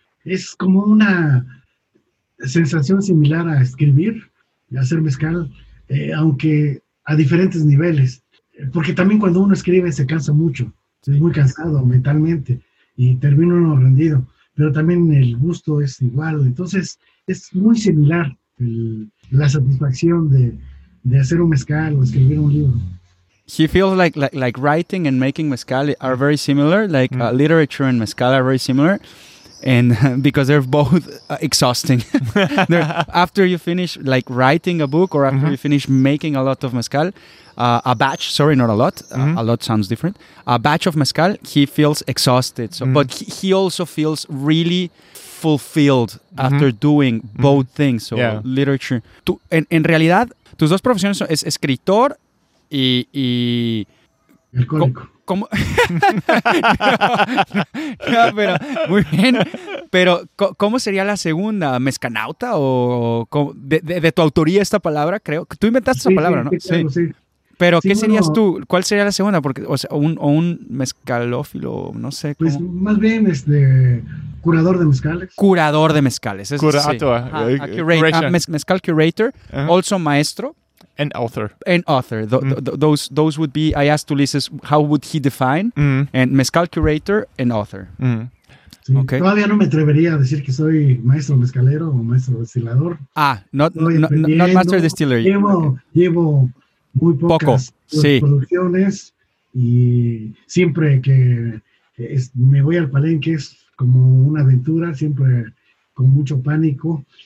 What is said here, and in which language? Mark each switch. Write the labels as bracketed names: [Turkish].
[Spanish] Es como una sensación similar a escribir y hacer mezcal, aunque a diferentes niveles, porque también cuando uno escribe se cansa mucho, es muy cansado mentalmente y termina uno rendido. Pero también el gusto es igual. Entonces, es muy similar la satisfacción de hacer un mezcal o escribir un libro. [English] He feels like writing and making mezcal are very similar, like literature and mezcal are very similar. and because they're both exhausting. They're, after you finish like writing a book or after you finish making a lot of mezcal, a lot sounds different, a batch of mezcal, he feels exhausted. So, but he also feels really fulfilled after doing both things. So literature. [Spanish] Tú, en realidad, tus dos profesiones son escritor y ¿cómo? No, no, pero muy bien. Pero ¿cómo sería la segunda? ¿Mezcanauta? ¿O cómo, de tu autoría esta palabra, creo? Tú inventaste esa palabra, sí, ¿no? Claro, sí. Pero sí, ¿qué serías tú? ¿Cuál sería la segunda? Porque, o sea, un mezcalófilo, no sé. ¿Cómo? Pues más bien curador de mezcales. Curador de mezcales. Es, [English] curator. Sí. Mezcal curator. Uh-huh. Also maestro. An author. An author. Those would be, I asked Ulises, how would he define? Mm. And mezcal curator and author. Mm. [Spanish] Sí. Okay. Todavía no me atrevería a decir que soy maestro mezcalero o maestro destilador. [English] Ah, not master distiller. [Spanish] Llevo muy pocas producciones y siempre que me voy al palenque es como una aventura, siempre con mucho pánico.